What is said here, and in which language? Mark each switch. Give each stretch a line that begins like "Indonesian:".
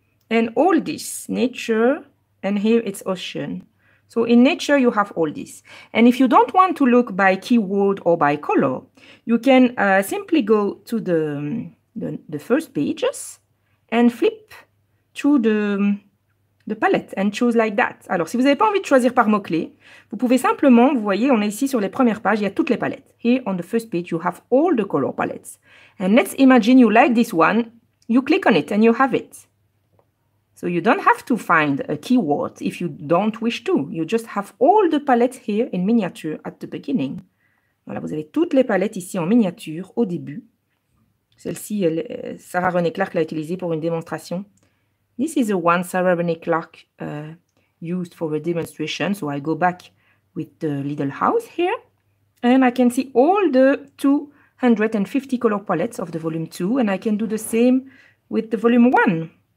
English: And all this, nature, and here it's ocean. So in nature, you have all this. And if you don't want to look by keyword or by color, you can simply go to the first pages and flip to the palette and choose like that.
French: Alors, si vous n'avez pas envie de choisir par mot-clé, vous pouvez simplement, vous voyez, on est ici sur les premières pages, il y a toutes les palettes.
English: Here on the first page, you have all the color palettes. And let's imagine you like this one, you click on it and you have it. So you don't have to find a keyword if you don't wish to. You just have all the palettes here in miniature at the beginning.
French: Voilà, vous avez toutes les palettes ici en miniature au début. Celle-ci, Sarah Renee Clark l'a utilisée pour une démonstration.
English: This is the one Sarah Renee Clark used for a demonstration. So I go back with the little house here. And I can see all the 250 color palettes of the volume 2. And I can do the same with the volume 1.